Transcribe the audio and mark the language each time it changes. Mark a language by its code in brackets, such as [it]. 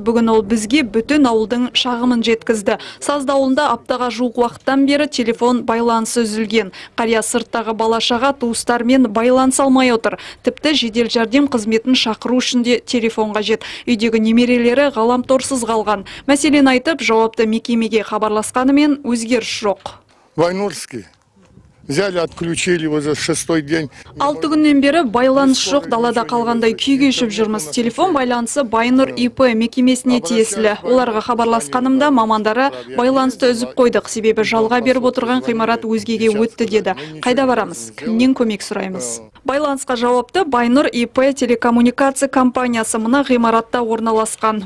[kk] Бүгін ол бізге бүтін ауылдың шағымын жеткізді. Сазды ауылында аптаға жуық уақыттан бері телефон байланысы үзілген. Қария сырттағы балашаға туыстармен байланыс алмай отыр. Тіпті жедел жәрдем қызметін шақыру үшін де телефонға жет. Үйдегі немерелері ғаламторсыз қалған. Мәселен айтып, жауапты мекемеге хабарласқанымен өзгеріс жоқ. [ru] Войнорский. Взяли, отключили уже шестой день. [kk] Алты күннен бері байланыс жоқ, далада қалғандай күй кешіп жүрміз. Телефон байланысы Байнұр ИП мекемесіне тиесілі. Оларға хабарласқанымда мамандары байланысты үзіп қойдық, себебі жалға беріп отырған ғимарат өзгеге өтті деді. Қайда барамыз? Кімнен көмек сұраймыз? Байланысқа жауапты Байнұр ИП телекоммуникация компаниясы мына ғимаратта орналасқан.